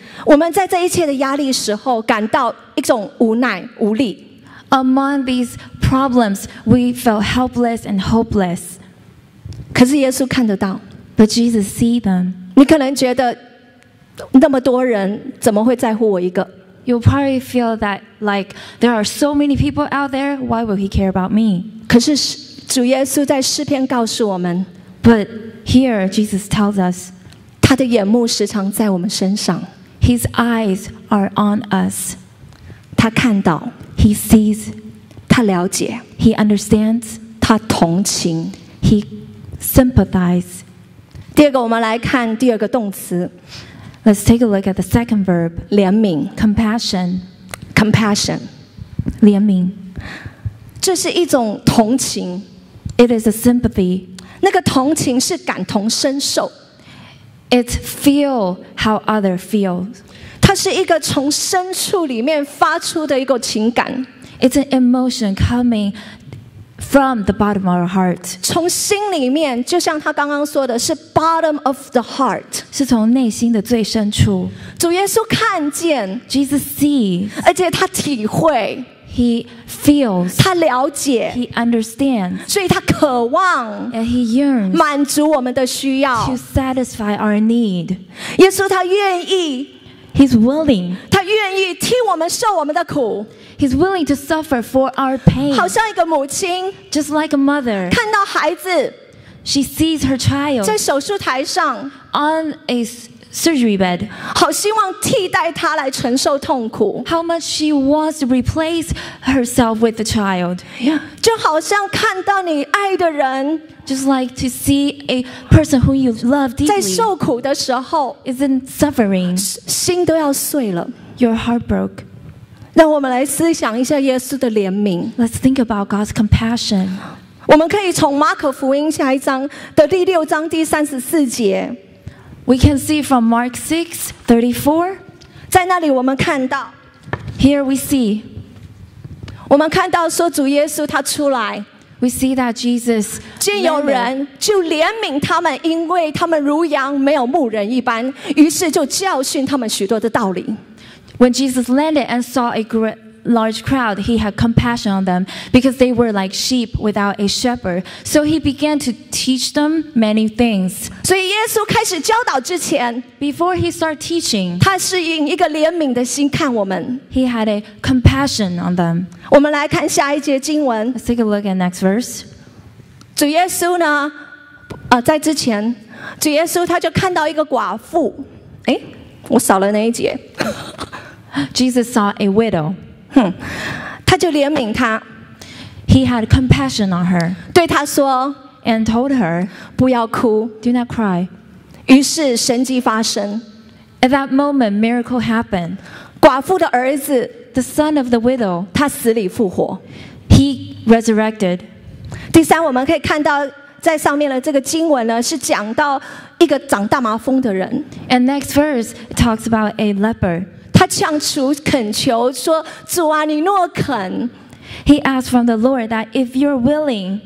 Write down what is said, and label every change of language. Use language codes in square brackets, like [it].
[zh] 我们在这一切的压力时候感到一种无奈无力。 [en] Among these problems, we felt helpless and hopeless. [zh] 可是耶稣看得到。 [en] But Jesus see them. [zh] 你可能觉得那么多人怎么会在乎我一个？ [en] You'll probably feel that like there are so many people out there, why will he care about me? [zh] 可是主耶稣在诗篇告诉我们。 [en] But here Jesus tells us, [zh] 他的眼目时常在我们身上。 [en] His eyes are on us. [zh] 他看到。 [en] He sees. [zh] 他了解。 [en] He understands. [zh] 他同情。 [en] He sympathizes. [zh] 第二个，我们来看第二个动词。 [en] Let's take a look at the second verb. [zh] 怜悯。 [en] Compassion. Compassion. [zh] 怜悯。这是一种同情。 [en] It is a sympathy. [zh] 那个同情是感同身受。 [en] It's feel how other feels. [zh] 它是一个从深处里面发出的一个情感。 [en] It's an emotion coming from the bottom of our heart. [zh] 从心里面，就像他刚刚说的，是 [en] bottom of the heart. [zh] 是从内心的最深处。主耶稣看见。 [en] Jesus sees. [zh] 而且他体会。 [en] He feels. [zh] 他了解。 [en] He understands. [zh] 所以他渴望。 [en] And he yearns. [zh] 满足我们的需要。 [en] To satisfy our need. [zh] 耶稣他愿意。 [en] He's willing. [zh] 他愿意替我们受我们的苦。 [en] He's willing to suffer for our pain. [zh] 好像一个母亲。 [en] Just like a mother. [zh] 看到孩子。 [en] She sees her child. [zh] 在手术台上。 [en] On a surgery bed. [zh] 好希望替代她来承受痛苦。 [en] How much she wants to replace herself with the child. [zh] Yeah. 就好像看到你爱的人。 [en] Just like to see a person who you love deeply. [zh] 在受苦的时候。 [en] Is in suffering. [zh] 心都要碎了。 [en] Your heart broke. [zh] 让我们来思想一下耶稣的怜悯。 [en] Let's think about God's compassion. [zh] 我们可以从马可福音下一章的第六章第三十四节。 [en] We can see from Mark 6:34. [zh] 在那里我们看到。 [en] Here we see. [zh] 我们看到说主耶稣他出来。 [en] We see that Jesus. [zh] 竟有人就怜悯他们，因为他们如羊没有牧人一般，于是就教训他们许多的道理。 [en] When Jesus landed and saw a large crowd, he had compassion on them because they were like sheep without a shepherd. So he began to teach them many things. [zh] 所以耶稣开始教导之前, [en] before he started teaching, [zh] 他是以一个怜悯的心看我们。 [en] He had a compassion on them. [zh] 我们来看下一节经文。 [en] Let's take a look at next verse. [zh] 主耶稣呢, 在之前, 主耶稣他就看到一个寡妇。诶?我少了那一节。 [en] Jesus saw a widow. [zh] 他就怜悯她。 [en] He had compassion on her. [zh] 对她说 [en] And told her, [zh] 不要哭。 [en] Do not cry. [zh] 于是神迹发生。 [en] At that moment, miracle happened. [zh] 寡妇的儿子 [en] The son of the widow, [zh] 他死里复活。 [en] He resurrected. [zh] 第三，我们可以看到在上面的这个经文呢，是讲到一个长大麻风的人。 [en] And next verse talks about a leper. [zh] 他向主恳求说：“主啊，你若肯 [en] ，He asked from the Lord that if you're willing,